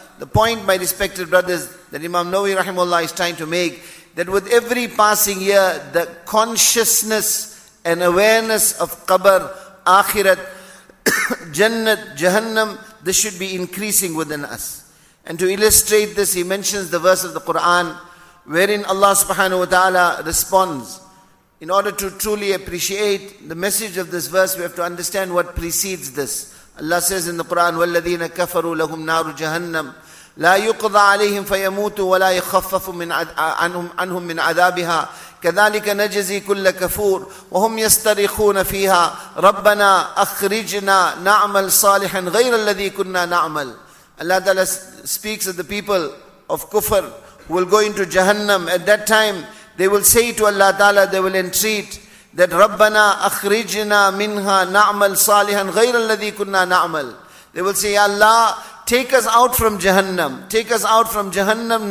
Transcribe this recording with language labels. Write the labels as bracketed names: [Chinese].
[English] The point, my respected brothers, that Imam Nawawi rahimahullah is trying to make, that with every passing year, the consciousness and awareness of qabr, akhirat, jannat, jahannam, this should be increasing within us. And to illustrate this, he mentions the verse of the Quran wherein Allah subhanahu wa ta'ala responds. In order to truly appreciate the message of this verse, we have to understand what precedes this. Allah says in the Quran, [Arabic] وَالَّذِينَ كَفَرُوا لَهُمْ نَارُ جَهَنَّمْ لَا يُقْضَى عَلَيْهِمْ فَيَمُوتُوا وَلَا يَخَفَّفُ عَنْهُمْ مِنْ عَذَابِهَا كَذَلِكَ نَجَزِي كُلَّ كَفُورٍ وَهُمْ يَسْتَرِخُونَ فِيهَا رَبَّنَا أَخْرِجْنَا نَعْمَلْ صَالِحًا غَيْرَ الَّذِي كُنَّا نَعْمَلْ. [English] Allah Ta'ala speaks of the people of kufr who will go into Jahannam. At that time, they will say to Allah Ta'ala, they will entreat that [Arabic] رَبَّنَا أَخْرِجْنَا مِنْهَا نَعْمَلْ صَالِحًا غَيْرَ الَّذِي كُنَّا نَعْمَلْ. [English] They will say, Allah, take us out from Jahannam. Take us out from Jahannam.